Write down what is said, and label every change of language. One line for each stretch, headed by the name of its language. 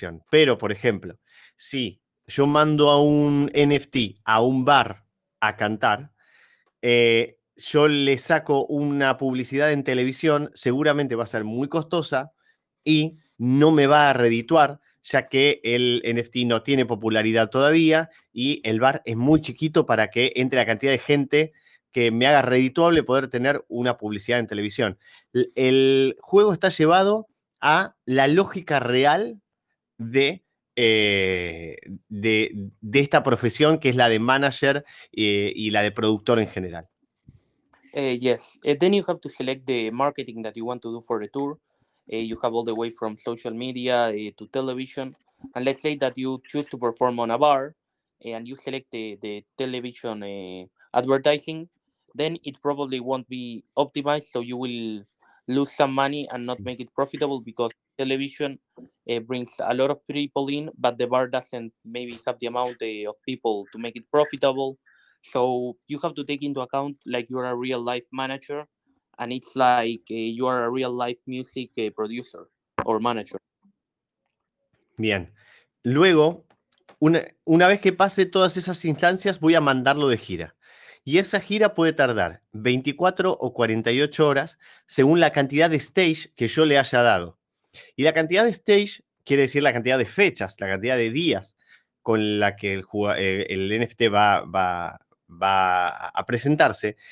Spanish: pero, por ejemplo, si yo mando a un NFT a un bar a cantar, yo le saco una publicidad en televisión, seguramente va a ser muy costosa y no me va a redituar, ya que el NFT no tiene popularidad todavía y el bar es muy chiquito para que entre la cantidad de gente que me haga redituable poder tener una publicidad en televisión. El juego está llevado a la lógica real de... De esta profesión que es la de manager y la de productor en general.
English: Yes, then you have to select the marketing that you want to do for the tour. You have all the way from social media to television. And let's say that you choose to perform on a bar and you select the television advertising, then it probably won't be optimized, so you will lose some money and not make it profitable because television brings a lot of people in, but the bar doesn't maybe have the amount of people to make it profitable. So you have to take into account like you're a real life manager and it's like you are a real life music producer or manager.
Spanish: Bien. Luego, una vez que pase todas esas instancias, voy a mandarlo de gira. Y esa gira puede tardar 24 o 48 horas según la cantidad de stage que yo le haya dado. Y la cantidad de stage quiere decir la cantidad de fechas, la cantidad de días con la que el NFT va a presentarse.